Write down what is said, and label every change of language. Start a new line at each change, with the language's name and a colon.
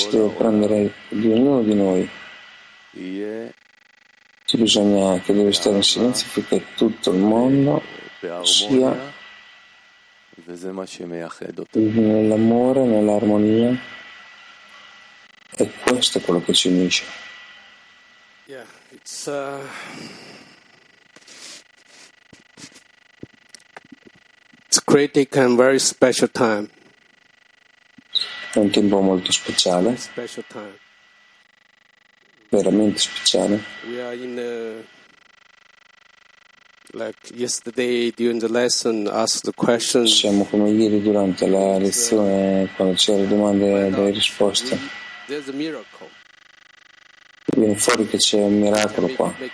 Italian: Si deve prendere di ognuno di noi, ci bisogna che deve stare in silenzio perché tutto il mondo sia nell'amore, nell'armonia, e questo è quello che ci unisce.
English: It's a great day and very special time.
Italian: È un tempo molto speciale.
English: Special time.
Italian: Veramente speciale.
English: We are in the, like yesterday during the lesson, asked the questions.
Italian: Siamo come ieri durante la lezione quando c'era domande e risposte.
English: There's a miracle.
Italian: Viene fuori che c'è un miracolo qua.